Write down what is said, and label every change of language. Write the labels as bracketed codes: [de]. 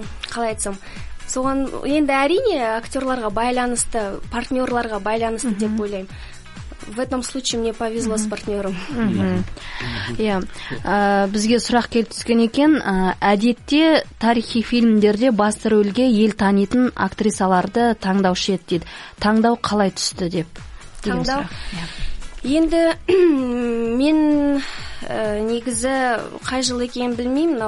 [kk] Қалай айтсам, соған енді әрине актерларға байланысты, партнерларға байланысты деп ойлаймын. [ru] В этом случае мне повезло с партнером. [kk] Бізге сұрақ келіп түскен екен. Әдетте тарихи фильмдерде басты рөлге ел танитын актрисаларды таңдаушы еді дейді. Таңдау қалай түсті деп? Таңдау? Енді мен негізі қай жылы екенін білмеймін.